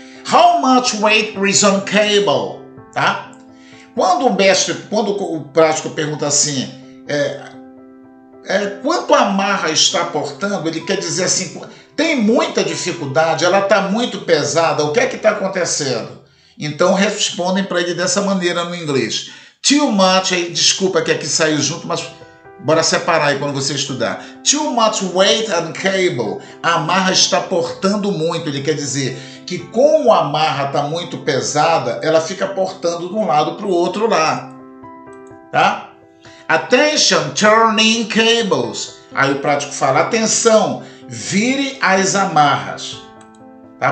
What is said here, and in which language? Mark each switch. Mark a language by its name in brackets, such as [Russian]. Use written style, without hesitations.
[English] How much weight is on cable? [Portuguese] Tá? Quando o mestre, quando o prático pergunta assim, quanto a amarra está portando, ele quer dizer assim, tem muita dificuldade, ela está muito pesada, o que é que está acontecendo? Então respondem para ele dessa maneira no inglês. [English] Too much, [Portuguese] aí, desculpa que aqui saiu junto, mas bora separar aí quando você estudar. [English] Too much weight on cable. [Portuguese] A amarra está portando muito, ele quer dizer que como a amarra está muito pesada, ela fica portando de um lado para o outro lá. Tá? [English] Attention, turning cables. [Portuguese] Aí o prático fala, atenção, vire as amarras. Tá?